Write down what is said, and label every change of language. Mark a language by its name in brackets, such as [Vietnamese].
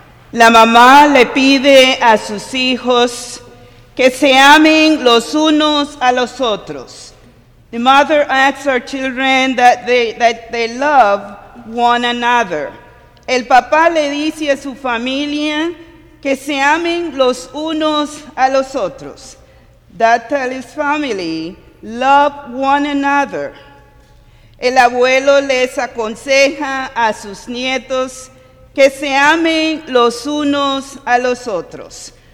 [Spanish] La mamá le pide a sus hijos que se amen los unos a los otros. [English] The mother asks her children that they love one another. [Spanish] El papá le dice a su familia que se amen los unos a los otros. [English] Dad tells his family, love one another. [Spanish] El abuelo les aconseja a sus nietos que se amen los unos a los otros.